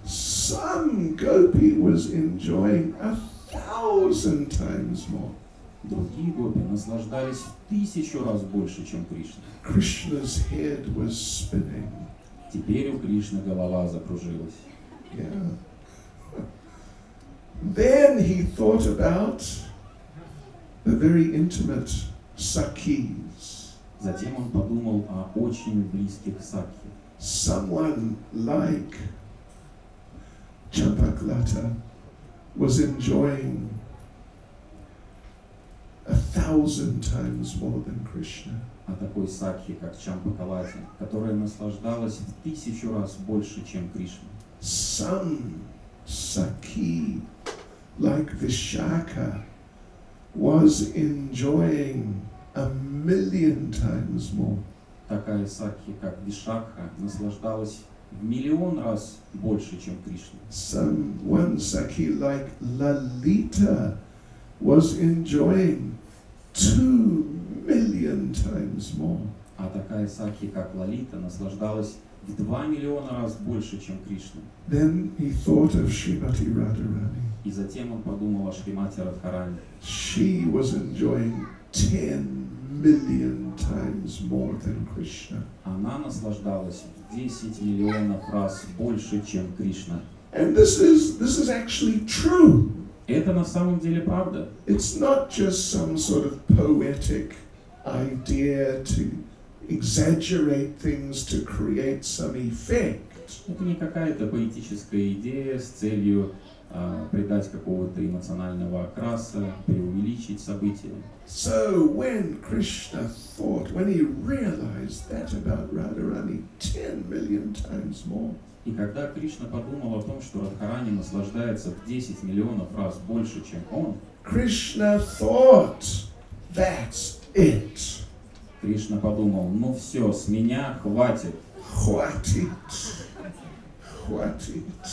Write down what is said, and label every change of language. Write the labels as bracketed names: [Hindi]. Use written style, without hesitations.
[English] Some gopi was enjoying 1,000 times more. [Russian] Другие гопи наслаждались в 1,000 раз больше, чем Кришна. [English] Krishna's head was spinning. [Russian] Теперь у Кришны голова закружилась. [English] Yeah. Then he thought about the very intimate sakis. [Russian] Затем он подумал о очень близких сакхи. [English] Someone like Champaklata was enjoying 1,000 times more than Krishna. [Russian] А такой сакхи, как Чампакалати, которая наслаждалась в 1,000 раз больше, чем Кришна. [English] Some sakhi like Vishakha was enjoying 1,000,000 times more. [Russian] Такая сакхи, как Вишакха, наслаждалась в 1,000,000 раз больше, чем Кришна. [English] Someone sakhi like Lalita was enjoying 2,000,000 times more. [Russian] А такая сакхи, как Лалита, наслаждалась в 2,000,000 раз больше, чем Кришна. [English] Then he thought of Shrimati Radharani. [Russian] И затем он подумал о Шримати Радхарани. [English] She was enjoying 10,000,000 times more than Krishna. [Russian] Она наслаждалась в 10,000,000 раз больше, чем Кришна. [English] And this is actually true. [Russian] Это на самом деле правда. [English] It's not just some sort of poetic idea to exaggerate things to create some effect. [Russian] Это не какая-то поэтическая идея с целью придать какого-то эмоционального окраса, преувеличить события. [English] So when Krishna thought, when he realized that about Radharani 10,000,000 times more. [Russian] И когда Кришна подумал о том, что Радхарани наслаждается в 10,000,000 раз больше, чем он, [English] Krishna thought, that's it. [Russian] Кришна подумал, ну все, с меня хватит. Хватит. Хватит.